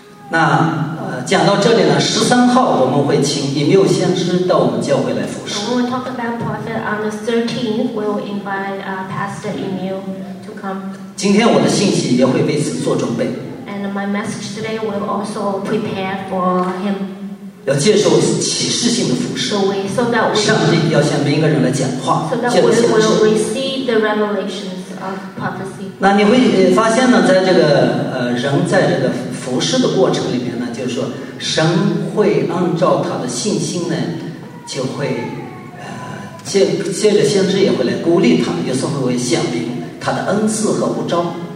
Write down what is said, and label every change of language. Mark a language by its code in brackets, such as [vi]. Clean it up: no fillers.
[zh] 那讲到这里呢，十三号我们会请以缪先知到我们教会来服侍。 [en] We will talk about prophet on the 13th. We will invite Pastor Emil to come. [zh] 今天我的信息也会为此做准备。 [en] And my message today will also prepare for him. [zh] 要接受启示性的服侍。 [en] So that we [zh] 上帝要向每一个人来讲话。 [en] So that we will receive the revelations of prophecy. [zh] 那你会发现呢，在这个人在这个服侍的过程里面呢，就是说神会按照他的信心呢，就会借着先知也会来鼓励他，有时候会显明他的恩赐和呼召。